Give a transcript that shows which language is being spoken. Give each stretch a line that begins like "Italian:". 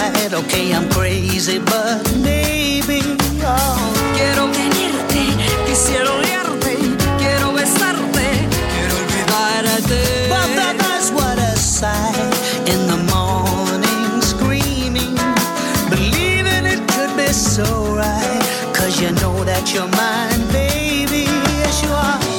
English: said, okay, I'm crazy, but maybe I'll...
Spanish: Quiero venirte, quisiera olvidarte, quiero besarte, quiero olvidarte.
English: But that is what I said in the morning, screaming, believing it could be so right, 'cause you know that you're mine, baby, yes you are.